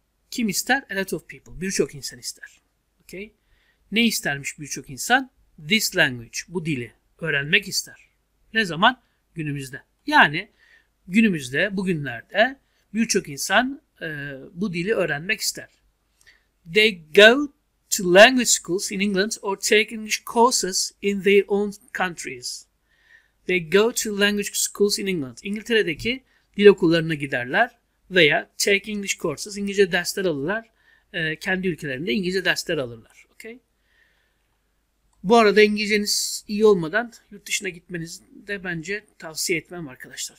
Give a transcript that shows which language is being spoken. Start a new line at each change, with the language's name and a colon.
Turkish: Kim ister?
English: A lot of people.
Turkish: Birçok insan ister. Okay. Ne istermiş birçok insan?
English: This language.
Turkish: Bu dili öğrenmek ister. Ne zaman? Günümüzde. Yani günümüzde, bugünlerde birçok insan bu dili öğrenmek ister.
English: They go to language schools in England or take English courses in their own countries. They go to language schools in England.
Turkish: İngiltere'deki dil okullarına giderler veya
English: take English courses,
Turkish: İngilizce dersler alırlar. Kendi ülkelerinde İngilizce dersler alırlar. Okay? Bu arada İngilizceniz iyi olmadan yurt dışına gitmenizi de bence tavsiye etmem arkadaşlar.